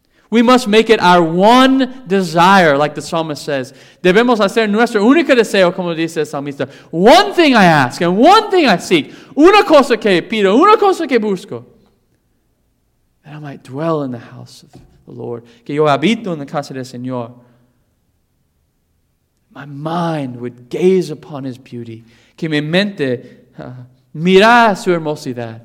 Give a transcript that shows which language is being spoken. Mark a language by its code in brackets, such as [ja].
[en] We must make it our one desire, like the psalmist says. [es] Debemos hacer nuestro único deseo, como dice el salmista. [en] One thing I ask and one thing I seek. [es] Una cosa que pido, una cosa que busco. [en] That I might dwell in the house of the Lord. [es] Que yo habito en la casa del Señor. [en] My mind would gaze upon His beauty. [es] Que mi mente mira su hermosidad.